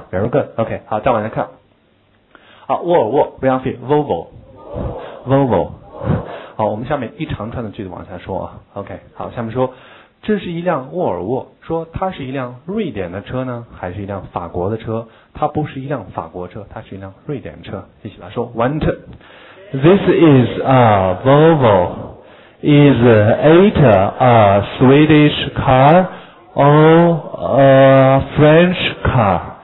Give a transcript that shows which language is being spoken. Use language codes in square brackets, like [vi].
[en] Very good. [zh] OK, 好，再往下看。好，沃尔沃 Renault Volvo [en] Volvo。 [zh] 好，我们下面一长串的句子往下说啊。OK， 好，下面说这是一辆沃尔沃，说它是一辆瑞典的车呢还是一辆法国的车？它不是一辆法国车，它是一辆瑞典车。一起来说 [en] One two. This is a Volvo. Is it a Swedish car or a French car?